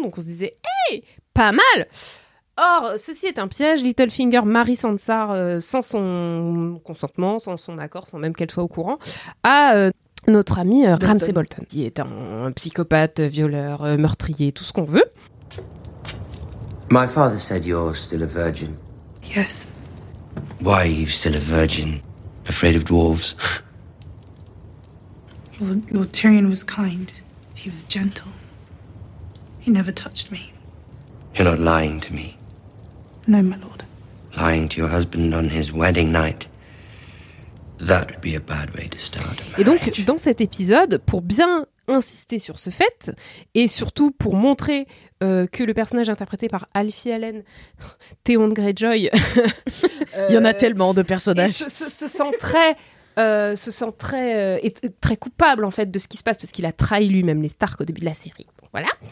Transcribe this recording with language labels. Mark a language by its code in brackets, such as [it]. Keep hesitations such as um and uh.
[fr] Donc on se disait, hé, hey, pas mal Or, ceci est un piège. Littlefinger marie Sansa euh, sans son consentement, sans son accord, sans même qu'elle soit au courant, à notre ami Ramsay Bolton, qui est un, un, psychopathe, violeur, meurtrier, tout ce qu'on veut. [en] My father said you're still a virgin. Yes. Why are you still a virgin, afraid of dwarves? lord, lord, Tyrion was kind. He was gentle. He never touched me. You're not lying to me. No, my lord. Lying to your husband on his wedding night. That would be a bad way to start a marriage. [fr] Et donc, dans cet épisode, pour bien insister sur ce fait et surtout pour montrer euh, que le personnage interprété par Alfie Allen, de Greyjoy, euh... il y en a tellement de personnages, et se, se, se, sent très euh, se sent très, et, très coupable en fait de ce qui se passe parce qu'il a trahi lui-même les Stark au début de la série. Voilà.